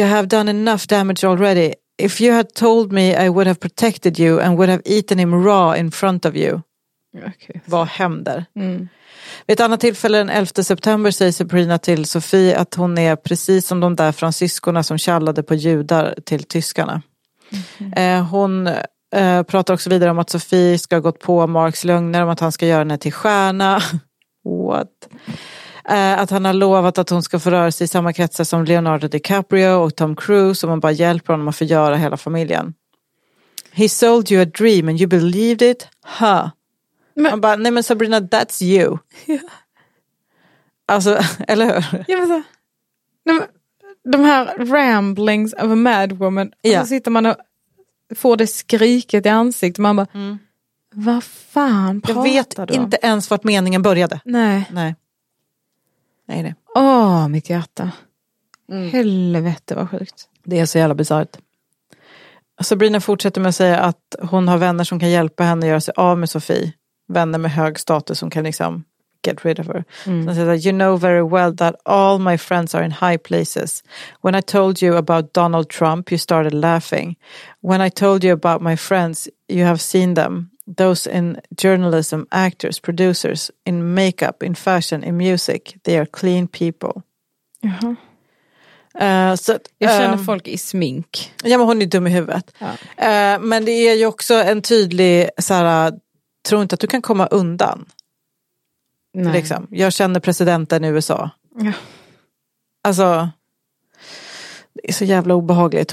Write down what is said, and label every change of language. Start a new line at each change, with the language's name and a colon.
English: You have done enough damage already. If you had told me I would have protected you and would have eaten him raw in front of you. Okay.
Swedish: Vad händer? Mm. Vid ett annat tillfälle den 11 september säger Sabrina till Sofie att hon är precis som de där fransyskorna som kallade på judar till tyskarna. Mm-hmm. Hon pratar också vidare om att Sofie ska ha gått på Marks lögner om att han ska göra henne till stjärna. What? Att han har lovat att hon ska få röra sig i samma kretsar som Leonardo DiCaprio och Tom Cruise och man bara hjälper honom att förgöra hela familjen.
English: He sold you a dream and you believed it? Huh?
Swedish: Men, man bara, nej men
English: Sabrina, that's you.
Swedish: Ja. Alltså, eller hur? Ja, men så, nej, men, de här
English: ramblings of a mad woman.
Swedish: Ja. Och så sitter man och får det skriket i ansiktet. Man bara, vad fan pratar du? Jag vet du inte ens vart meningen började. Nej. Nej, det. Åh, mitt hjärta. Mm. Helvete, vad sjukt. Det är så jävla bizarrt. Sabrina fortsätter med att säga att hon har vänner som kan hjälpa henne att göra sig av med Sofie. Vänner med hög status som kan liksom
English: get rid of her. Mm.
Swedish: Så hon säger att,
English: you know very well that all my friends are in high places. When I told you about Donald Trump, you started laughing. When I told you about my friends, you have seen them. Those in journalism, actors, producers, in makeup, in fashion, in music, they are clean people.
Swedish: Jaha. Jag känner folk i smink. Ja, men hon är dum i huvudet. Ja. Men det är ju också en tydlig, så här, tror inte att du kan komma undan. Nej. Liksom. Jag känner presidenten i USA. Ja. Alltså, det är så jävla obehagligt.